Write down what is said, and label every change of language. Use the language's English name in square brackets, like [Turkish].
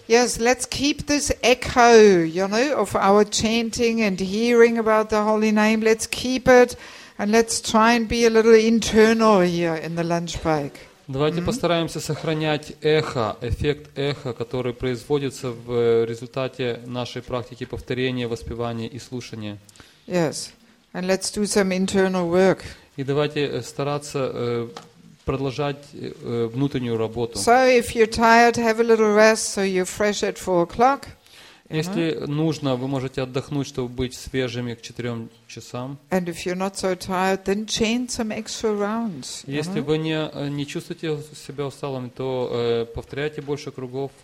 [English] Yes, let's keep this echo, you know, of our chanting and hearing about the holy name. Let's keep it. And let's try and be a little internal here in the lunch break. [Russian] Давайте постараемся сохранять эхо, эффект эхо, который производится в результате нашей практики повторения, воспевания и слушания. [English] Yes. And let's do some internal work. [Russian] И давайте стараться продолжать внутреннюю работу. [English] So if you're tired, have a little rest so you're fresh at 4 o'clock. [Russian] Если нужно, вы можете отдохнуть, чтобы быть свежими к 4 часам. [English] And if you're not so tired, then chain some extra rounds. [Russian] Если вы не чувствуете себя усталым, то повторяйте больше кругов.